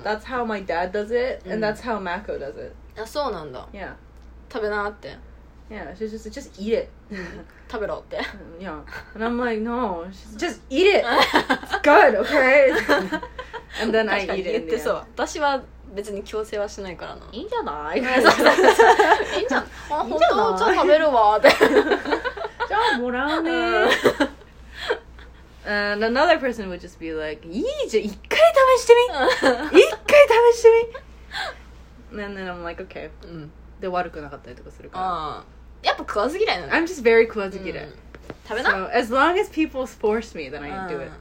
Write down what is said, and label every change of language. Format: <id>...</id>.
<en>That's how my dad does it, and that's how Mako does it.</en> <ja>あ、そうなんだ。</ja> <en>Yeah.</en> <ja>食べなって。</ja> <en>Yeah, she's just eat it.</en> <ja>食べろって。</ja> <en>Yeah. And I'm like, no, just eat it. It's good, okay? And then I eat it.</en> <ja>言ってそう。私は別に強制はしないからな。いいんじゃない？いいんじゃない？本当？じゃあ食べるわって。じゃあもらうね。</ja> <en>And another person would just be like,</en> <ja>いいじゃん、一回試してみ一回試してみ</ja> <en>And then I'm like, okay.</en> <ja>で、悪くなかったりとかするから。やっぱ食わず嫌いなの</ja> <en>I'm just very 食わず嫌い。</en> <ja>食べな。</ja> <en>So, as long as people force me, then I do it.</en>